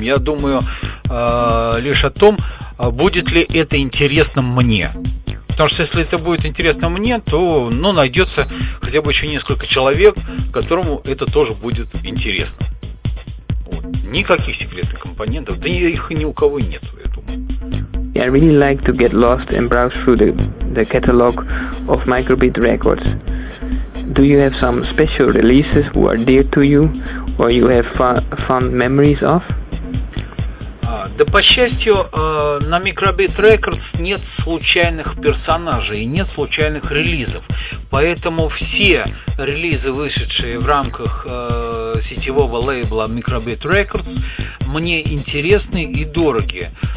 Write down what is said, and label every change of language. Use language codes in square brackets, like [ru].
[ru] Я думаю лишь о том, будет ли это интересно мне. Потому что если это будет интересно мне, то найдется хотя бы еще несколько человек, которому это тоже будет интересно. Вот. Никаких секретных компонентов, да их и ни у кого нет, я думаю. [en] I really like to get lost and browse through the catalog of Microbeat Records. Do you have some special releases who are dear to you or you have fond memories of? [ru] Да, по счастью, на Microbeat Records нет случайных персонажей и нет случайных релизов. Поэтому все релизы, вышедшие в рамках сетевого лейбла Microbeat Records, мне интересны и дороги.